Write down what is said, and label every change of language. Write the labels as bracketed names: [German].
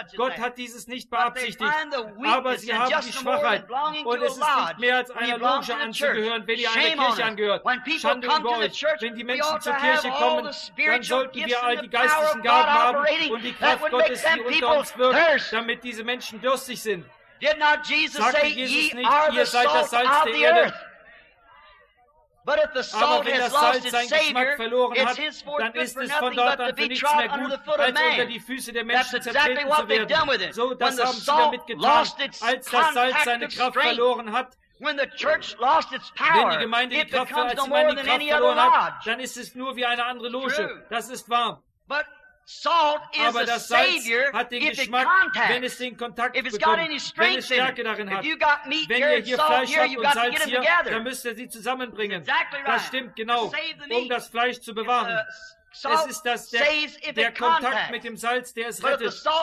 [German] Gott hat dieses nicht beabsichtigt. Aber sie haben die Schwachheit. Und es ist nicht mehr als einer Loge anzugehören, wenn ihr einer Kirche angehört. Schande über euch. Wenn die Menschen zur Kirche kommen, dann sollten wir all die geistlichen Gaben haben und die Kraft Gottes, die unter uns wirkt, damit diese Menschen durstig sind. [English] Did not Jesus say, ye are the salt of the earth? But if the salt has lost its savor, it's henceforth good for nothing but to be trod under the foot of man. That's exactly what they've done with it. So, when the salt lost its contactive strength, when the church lost its power, it becomes no more than any other lodge. [German] Dann ist es nur wie eine andere Loge. Das ist wahr. [English] But salt is [German] aber das Salz hat den Geschmack, [English] contacts, [German] wenn es den Kontakt bekommt, wenn es Stärke darin hat. Wenn ihr hier Fleisch habt und Salz hier, dann müsst ihr sie zusammenbringen. [English] Exactly right. [German] Das stimmt genau, um das Fleisch zu bewahren. Es ist das der Kontakt mit dem Salz, der es rettet.